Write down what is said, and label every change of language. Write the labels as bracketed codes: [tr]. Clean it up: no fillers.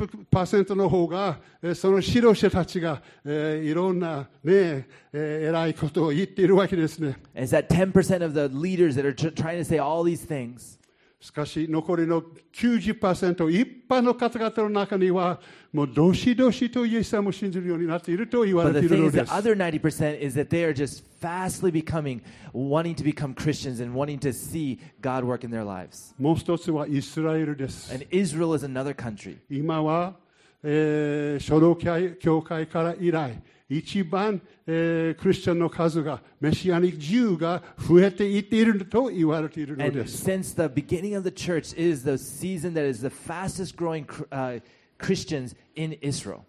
[ja] 90% の方がその指導者たちがいろんなね、偉いことを言っているわけですね。 [en] It's that 10% of the leaders that are trying to say all these things. [ja] しかし残りの 90% 一般の方々の中にはもうどしどしとイエス様を信じるようになっていると言われているのです。 [en] But the thing is, the other 90% is that they are just fastly becoming, wanting to become Christians and wanting to see God work in their lives. [ja] もう一つはイスラエルです。 [en] And Israel is another country. [ja] 今は、初老教会から以来、一番、クリスチャンの数が、メシアニック Jew が増えていっていると言われているのです。 [en] And since the beginning of the church, it is the season that is the fastest growing Christians in Israel.